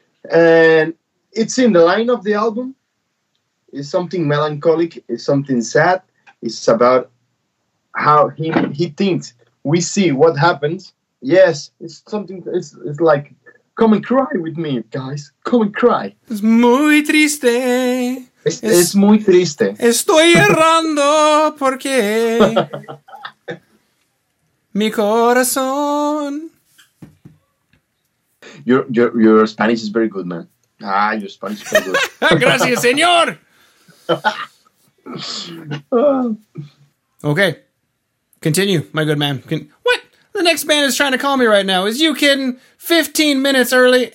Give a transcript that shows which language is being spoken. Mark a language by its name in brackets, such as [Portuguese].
[English] And it's in the line of the album. It's something melancholic. It's something sad. It's about how he thinks. We see what happens. Yes, it's something. It's like, come and cry with me, guys. Come and cry. It's [Spanish] muy triste. Es muy triste. Estoy errando porque mi corazón. [English] Your Spanish is very good, man. Ah, your Spanish is very good. [Spanish] Gracias, señor. [English] Okay. Continue, my good man. What? The next man is trying to call me right now. Is you kidding? 15 minutes early.